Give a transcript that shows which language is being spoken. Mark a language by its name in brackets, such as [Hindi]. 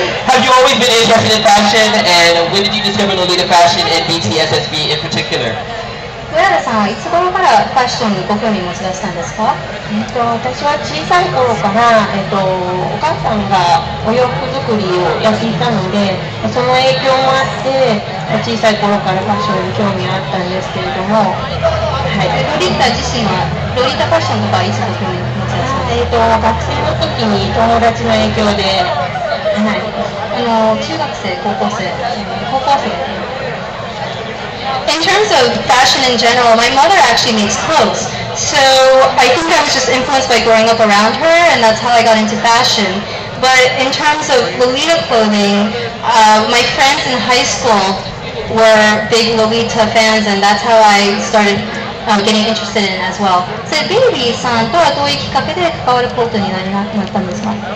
[English] Have you always been interested in fashion, and when did you discover Lolita fashion and BTS SB in particular? [Japanese] Urara さんはいつ頃からファッションにご興味持ち出したんですか？私は小さい頃から、お母さんがお洋服作りをやっていたので、その影響もあって、小さい頃からファッションに興味があったんですけれども、はい、ロリータ自身はロリータファッションとかはいつご興味学生の時に友達の影響で、はい、中学生、高校生、高校生。 [English] In terms of fashion in general, my mother actually makes clothes. So I think I was just influenced by growing up around her, and that's how I got into fashion. But in terms of Lolita clothing, my friends in high school were big Lolita fans, and that's how I started getting interested in it as well. [Japanese] So, Baby さんとはどういうきっかけで関わることになったんですか？